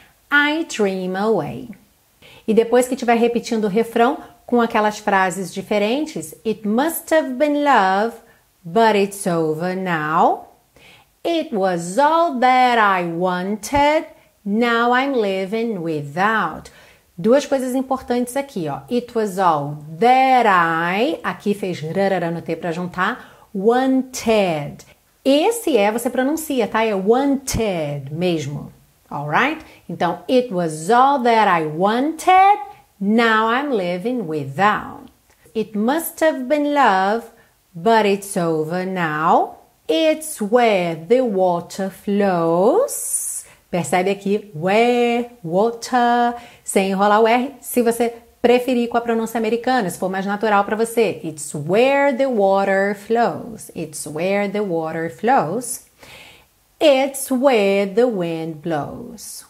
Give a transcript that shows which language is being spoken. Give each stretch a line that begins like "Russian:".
English: I dream away.
Portuguese: E depois que estiver repetindo o refrão, com aquelas frases diferentes.
English: It must have been love, but it's over now. It was all that I wanted, now I'm living without.
Portuguese: Duas coisas importantes aqui, ó.
English: It was all that I,
Portuguese: aqui fez rarara no T para juntar, wanted. Esse é, você pronuncia, tá? É wanted mesmo.
English: Alright?
Portuguese: Então,
English: it was all that I wanted. Now I'm living without. It must have been love, but it's over now. It's where the water flows.
Portuguese: Percebe aqui, where, water, sem enrolar o R, se você preferir com a pronúncia americana, se for mais natural para você.
English: It's where the water flows. It's where the water flows. It's where the wind blows.